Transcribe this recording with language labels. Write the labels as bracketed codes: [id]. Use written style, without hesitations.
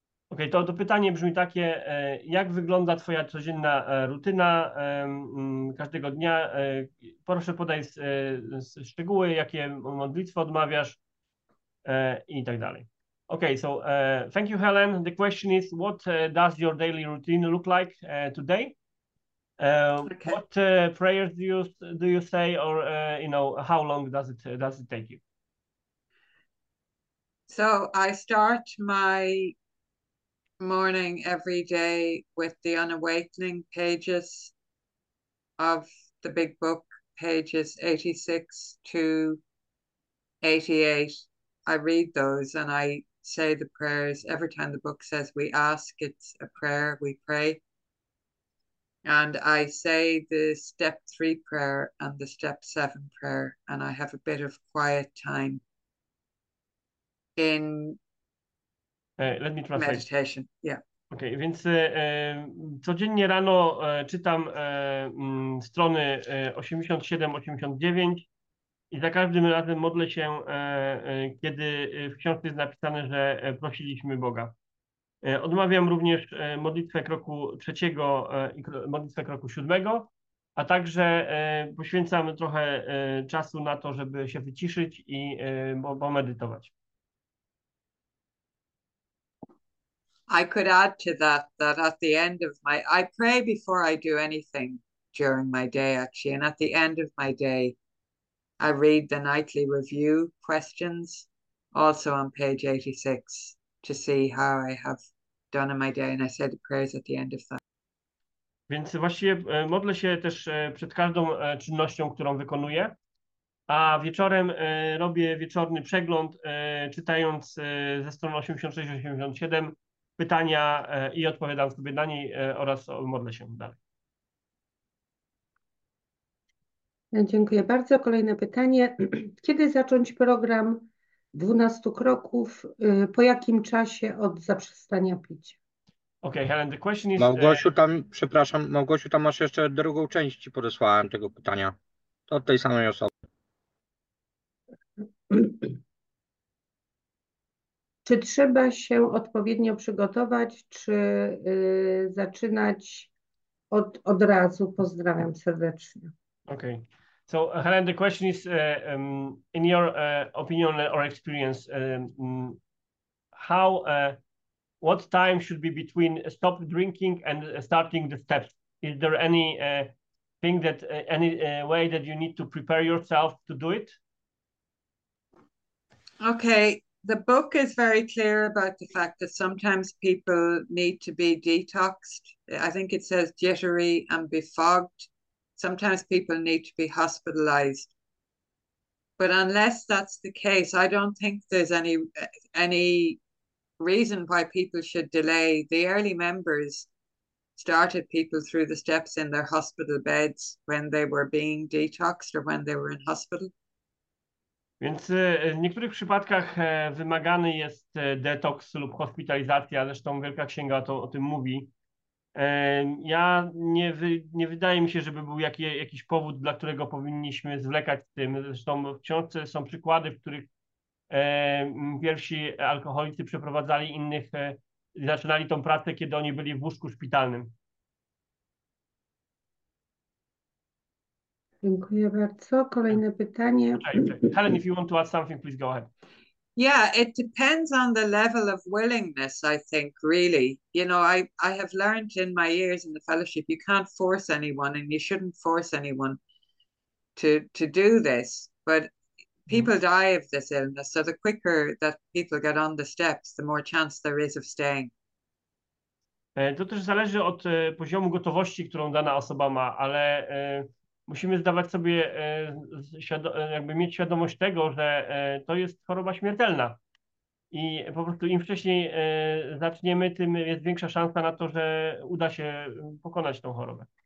[pl] Okej, to pytanie brzmi takie, jak wygląda twoja codzienna rutyna każdego dnia? Proszę podaj szczegóły, jakie modlitwy odmawiasz i tak dalej. [en] Okej, so thank you Helen. The question is, what does your daily routine look like today? Okay. What prayers do you say, or how long does it take you? So I start my morning every day with the unawakening pages of the big book, pages 86 to 88. I read those and I say the prayers. Every time the book says we ask, it's a prayer, we pray. And I say the step three prayer and the step seven prayer, and I have a bit of quiet time in Let me translate. Meditation, yeah. [pl] Ok, więc codziennie rano czytam strony 87-89 i za każdym razem modlę się, kiedy w książce jest napisane, że prosiliśmy Boga. Odmawiam również modlitwę kroku trzeciego i modlitwę kroku siódmego, a także poświęcam trochę czasu na to, żeby się wyciszyć i pomedytować. [en] I could add to that that at the end of my, I pray before I do anything during my day, actually. And at the end of my day, I read the nightly review questions, also on page 86, to see how I have done in my day. And I said the prayers at the end of that. [pl] Więc właściwie modlę się też przed każdą czynnością, którą wykonuję, a wieczorem robię wieczorny przegląd, czytając ze stron 86-87 pytania i odpowiadam sobie na nie oraz modlę się dalej. Dziękuję bardzo. Kolejne pytanie. Kiedy zacząć program 12 kroków? Po jakim czasie od zaprzestania pić? [en] Okay, Helen, the question is... [pl] Małgosiu, tam, przepraszam, Małgosiu, tam masz jeszcze drugą część, ci podesłałem tego pytania. To od tej samej osoby. Czy trzeba się odpowiednio przygotować, czy zaczynać od razu? Pozdrawiam serdecznie. [en] Okay. So, Helen, the question is, in your opinion or experience, how... What time should be between stop drinking and starting the steps? Is there any thing that any way that you need to prepare yourself to do it? Okay, the book is very clear about the fact that sometimes people need to be detoxed. I think it says jittery and befogged. Sometimes people need to be hospitalized. But unless that's the case, I don't think there's any reason why people should delay. The early members started people through the steps in their hospital beds when they were being detoxed or when they were in hospital. [pl] Więc w niektórych przypadkach wymagany jest detoks lub hospitalizacja, zresztą Wielka Księga to o tym mówi. Ja nie wydaje mi się, żeby był jakiś powód, dla którego powinniśmy zwlekać z tym. Zresztą w książce są przykłady, w których pierwsi alkoholicy przeprowadzali innych i zaczynali tą pracę, kiedy oni byli w łóżku szpitalnym. Dziękuję bardzo. Kolejne pytanie. [en] Okay. Helen, if you want to add something, please go ahead. Yeah, it depends on the level of willingness, I think, really. You know, I have learned in my years in the fellowship, you can't force anyone and you shouldn't force anyone to do this. But people die of this illness, so the quicker that people get on the steps, the more chance there is of staying. [pl] To też zależy od poziomu gotowości, którą dana osoba ma, ale musimy zdawać sobie, jakby mieć świadomość tego, że to jest choroba śmiertelna. I po prostu im wcześniej zaczniemy, tym jest większa szansa na to, że uda się pokonać tą chorobę.